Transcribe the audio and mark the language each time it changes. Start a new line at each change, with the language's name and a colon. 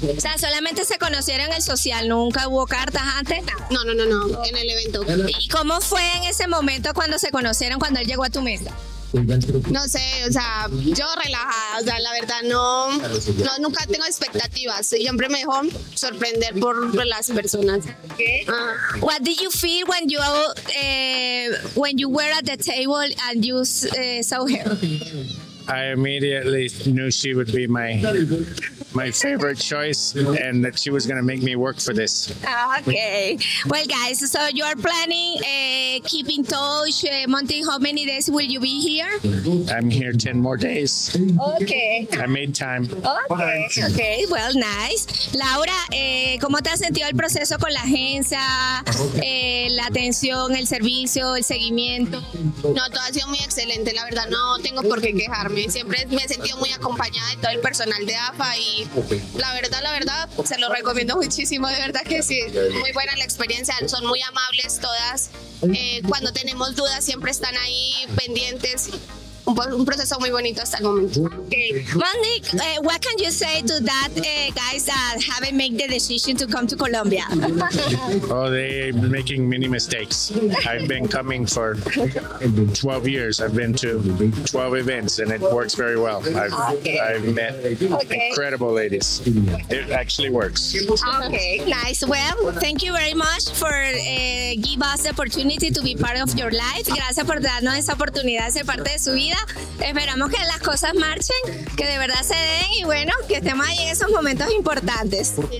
Spanish: O sea, solamente se conocieron en el social, ¿nunca hubo cartas antes? No, en el evento. ¿Y cómo fue en ese momento cuando se conocieron, cuando él llegó a tu mesa? No sé, o sea, yo relajada, o sea, la verdad no, nunca tengo expectativas, siempre mejor sorprender por las personas.
English: What did you feel when you were at the table and you saw her? I immediately knew she would be my favorite choice and that she was going to make me work for this. Okay. Well, guys, so you are planning keeping touch. Monty, how many days will you be here? I'm here 10 more days. Okay. I made time. Okay. Well, nice.
Spanish: Laura, ¿cómo te has sentido el proceso con la agencia? La atención, el servicio, el seguimiento. No, todo ha sido muy excelente. La verdad, no tengo por qué quejarme. Siempre me he sentido muy acompañada de todo el personal de AFA y la verdad, se lo recomiendo muchísimo, de verdad que sí, muy buena la experiencia, son muy amables todas, cuando tenemos dudas siempre están ahí pendientes. Un proceso muy bonito hasta el momento.
English: Okay. Monty, what can you say to that guys that haven't made the decision to come to Colombia? Oh, they're making many mistakes. I've been coming for 12 years. I've been to 12 events and it works very well. I've met incredible ladies. It actually works. Okay, nice. Well, thank you very much for give us the opportunity to be part of your life.
Spanish: Gracias por darnos esa oportunidad de ser parte de su vida. Esperamos que las cosas marchen, que de verdad se den y bueno, que estemos ahí en esos momentos importantes.